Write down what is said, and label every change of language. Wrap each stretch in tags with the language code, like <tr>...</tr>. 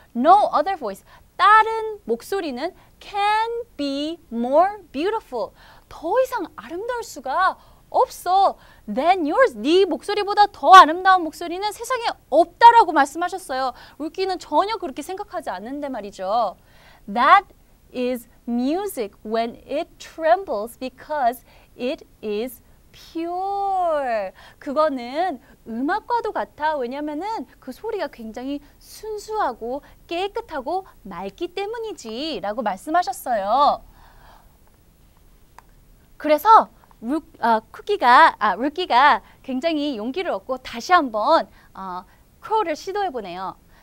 <en>No other voice,</en> <ko>다른 목소리는</ko> <en>can be more beautiful.</en> <ko>더 이상 아름다울 수가 없어.</ko> <en>Than yours,</en> <ko>네 목소리보다 더 아름다운 목소리는 세상에 없다라고 말씀하셨어요. Ruki는 전혀 그렇게 생각하지 않는데 말이죠.</ko> <en>That is music when it trembles because it is pure.</en> <ko>그거는 음악과도 같아. 왜냐면은 그 소리가 굉장히 순수하고 깨끗하고 맑기 때문이지 라고 말씀하셨어요. 그래서 루키가 굉장히 용기를 얻고 다시 한번 크로우를 시도해 보네요.</ko>